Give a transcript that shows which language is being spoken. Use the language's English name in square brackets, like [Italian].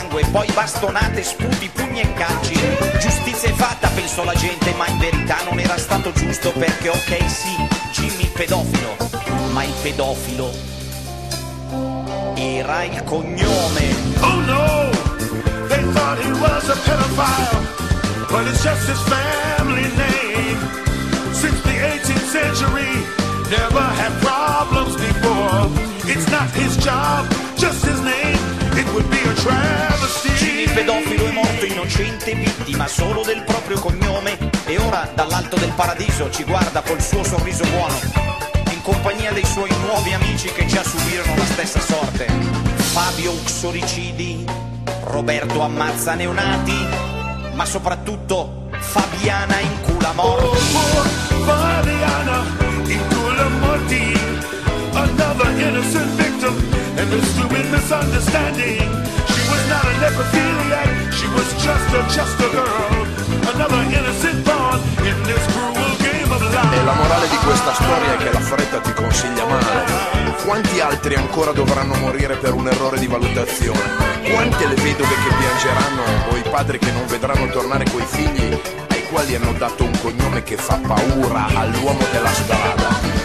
[Italian] poi bastonate, sputi, pugni e calci. Giustizia è fatta, pensò la gente, ma in verità non era stato giusto, perché ok sì, Jimmy il pedofilo, ma il pedofilo era il cognome. [English] Oh no, they thought he was a pedophile, but it's just his family name. Since the 18th century, never had problems before. It's not his job, just his name. It would be a travesty. [Italian] Jimmy il pedofilo è morto innocente, vittima solo del proprio cognome. E ora dall'alto del paradiso ci guarda col suo sorriso buono, in compagnia dei suoi nuovi amici che già subirono la stessa sorte. Fabio Uxoricidi, Roberto ammazza neonati, ma soprattutto Fabiana in culo a morti. [English] Oh, poor Fabiana in culo a morti. Another innocent victim and a stupid misunderstanding. She was not a necrophiliac, she was just a girl. Another innocent born in this cruel game of life. [Italian] E la morale di questa storia è che la fretta ti consiglia male. Quanti altri ancora dovranno morire per un errore di valutazione? Quante le vedove che piangeranno, o i padri che non vedranno tornare coi figli, ai quali hanno dato un cognome che fa paura all'uomo della strada?